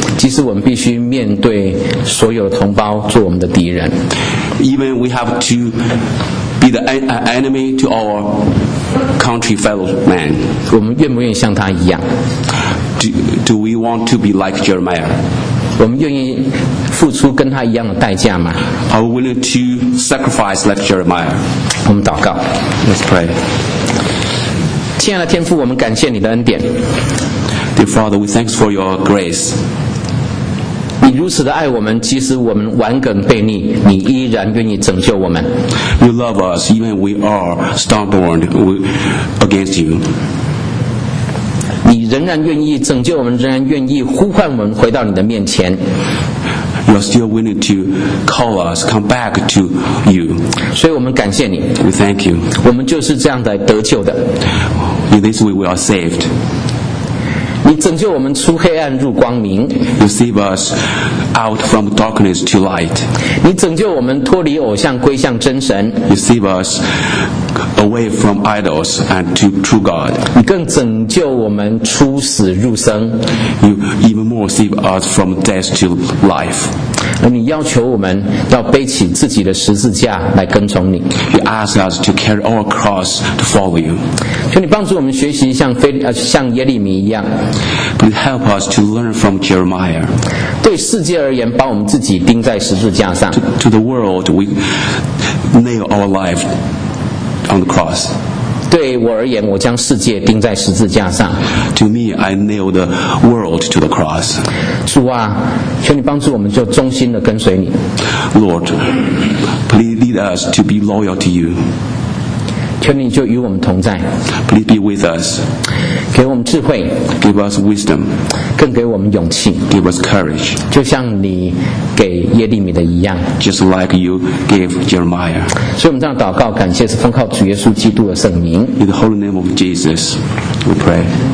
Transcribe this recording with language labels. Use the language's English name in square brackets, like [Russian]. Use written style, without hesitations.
[Chinese] 即使我们必须面对所有的同胞做我们的敌人。 [English] Even we have to be the enemy to our country fellow man. [Chinese] 我们愿不愿意像他一样 [English] ？Do we want to be like Jeremiah? [Chinese] 我们愿意付出跟他一样的代价吗 [English] ？Are we willing to sacrifice like Jeremiah? [Chinese] 我们祷告。 [English] Let's pray. [Chinese] 亲爱的天父，我们感谢你的恩典。 [English] Dear Father, we thanks for your grace. [Chinese] 你如此的爱我们，即使我们顽梗悖逆，你依然愿意拯救我们。 [English] You love us, even we are stubborn against you. [Chinese] 你仍然愿意拯救我们，仍然愿意呼唤我们回到你的面前。 [English] You are still willing to call us, come back to you. [Chinese] 所以我们感谢你。 [English] We thank you. [Chinese] 我们就是这样的得救的。 [English] In this way, we are saved. [Chinese] 你拯救我们出黑暗入光明。 [English] You save us out from darkness to light. [Chinese] 你拯救我们脱离偶像归向真神。 [English] You save us away from idols and to true God. [Chinese] 你更拯救我们出死入生。 [English] You even more save us from death to life. [Chinese] 而你要求我们要背起自己的十字架来跟从你。 [English] You ask us to carry our cross to follow you. [Chinese] 求你帮助我们学习像耶利米一样。 [English] Please help us to learn from Jeremiah. [Chinese] 对世界而言，把我们自己钉在十字架上。 [English] To the world, we nail our life on the cross. [Chinese] 对我而言，我将世界钉在十字架上。 [English] To me, I nail the world to the cross. [Chinese] 主啊，求你帮助我们，就忠心的跟随你。 [English] Lord, please lead us to be loyal to you. [Chinese] 求你就与我们同在。 [English] Please be with us. [Chinese] 给我们智慧。 [English] Give us wisdom. [Chinese] 更给我们勇气。 [English] Give us courage. [Chinese] 就像你给耶利米的一样。 [English] Just like you gave Jeremiah. [Chinese] 所以我们这样祷告，感谢是奉靠主耶稣基督的圣名。 [English] In the holy name of Jesus, we pray.